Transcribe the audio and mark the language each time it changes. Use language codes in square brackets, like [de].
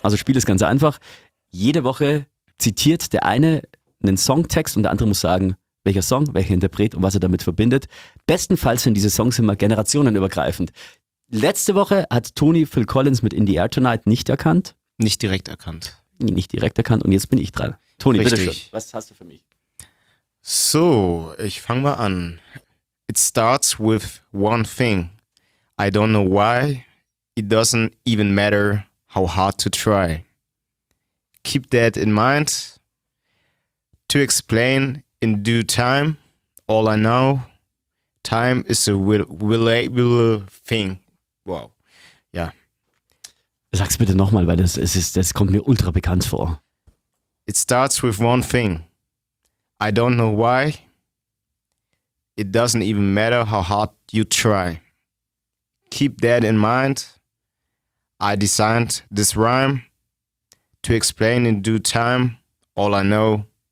[de] Also Spiel ist ganz einfach. Jede Woche zitiert der eine einen Songtext und der andere muss sagen, welcher Song, welcher Interpret und was er damit verbindet. Bestenfalls sind diese Songs immer generationenübergreifend. Letzte Woche hat Toni Phil Collins mit In the Air Tonight nicht erkannt. Nicht direkt erkannt. Nicht direkt erkannt und jetzt bin ich dran. Toni, bitte schön. Was hast du für mich? So, ich fange mal an. [en] It starts with one thing. I don't know why. It doesn't even matter how hard to try. Keep that in mind. To explain in due time. All I know. Time is a reliable thing. Wow. Ja. Yeah. [de] Sag's bitte nochmal, weil das kommt mir ultra bekannt vor. [en] It starts with one thing. I don't know why. It doesn't even matter how hard you try. Keep that in mind. I designed this rhyme to explain in due time all I know.